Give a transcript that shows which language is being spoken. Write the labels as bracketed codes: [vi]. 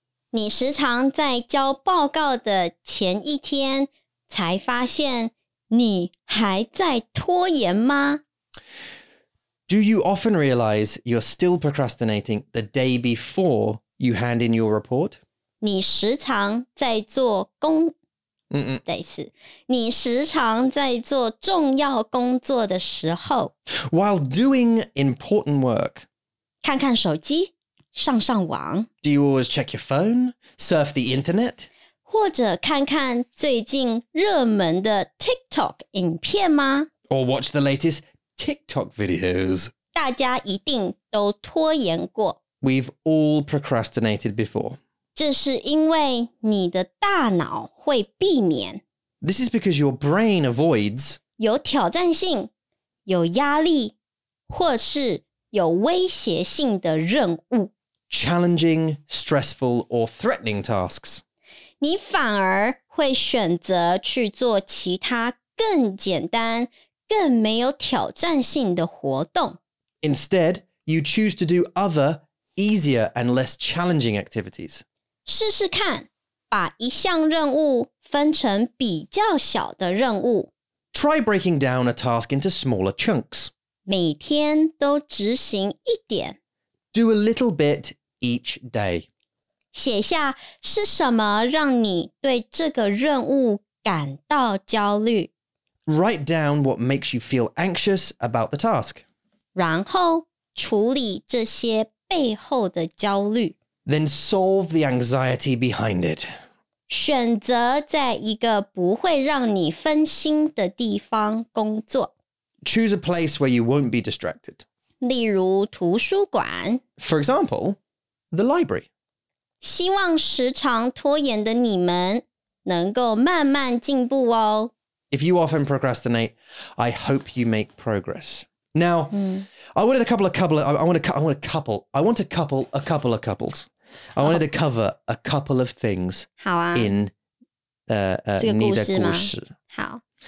[zh] 你时常在交报告的前一天才发现你还在拖延吗? [en] Do you often realize you're still procrastinating the day before you hand in your report? [zh] 你时常在做工... Mm-mm. 再一次。你时常在做重要工作的时候。 [en] While doing important work. [zh] 看看手机,上上网。 [en] Do you always check your phone? Surf the internet? [zh] 或者看看最近热门的 TikTok 影片吗? [en] Or watch the latest TikTok videos. [zh] 大家一定都拖延过。 [en] We've all procrastinated before. [zh] 这是因为你的大脑会避免。 [en] This is because your brain avoids [zh] 有挑战性、有压力或是有威胁性的任务。 [en] Challenging, stressful, or threatening tasks. [zh] 你反而会选择去做其他更简单、更没有挑战性的活动。 [en] Instead, you choose to do other, easier and less challenging activities. [zh] 试试看，把一项任务分成比较小的任务。 [en] Try breaking down a task into smaller chunks. [zh] 每天都执行一点。 [en] Do a little bit each day. [zh] 写下是什么让你对这个任务感到焦虑。 [en] Write down what makes you feel anxious about the task. [zh] 然后处理这些背后的焦虑。 [en] Then solve the anxiety behind it. [zh] 选择在一个不会让你分心的地方工作。 [en] Choose a place where you won't be distracted. [zh] 例如图书馆。 [en] For example, the library. [zh] 希望时常拖延的你们能够慢慢进步哦。 [en] If you often procrastinate, I hope you make progress. Now,、mm. I wanted a couple of couple. Of, I want a couple. I want a couple. A couple of couples. I wanted、oh. to cover a couple of things. [zh] 好啊 [en] In, [zh] 你的故事好